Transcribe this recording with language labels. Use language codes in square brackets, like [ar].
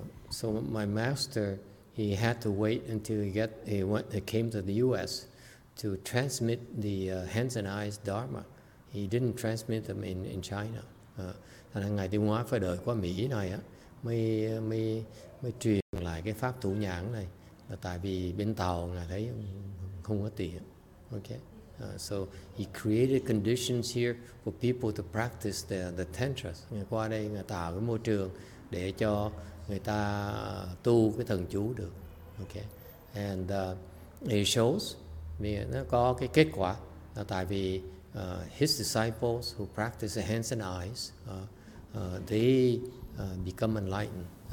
[en] So my master, he had to wait until he came to the US to transmit the hands and eyes dharma. He didn't transmit them in China. [vi] Thành ra ngài Tiêu Hóa phải đợi qua Mỹ này á, mới truyền lại cái pháp thủ nhãn này, là tại vì bên Tàu ngài thấy không có tiền. [en] Okay. So he created conditions here for people to practice the tantras. [vi] Ngài qua đây ngài tạo cái môi trường để cho người ta tu cái thần chú được. [en] Okay. And it shows, [vi] nó có cái kết quả, là tại vì [en] his disciples who practice the hands and eyes, they become enlightened.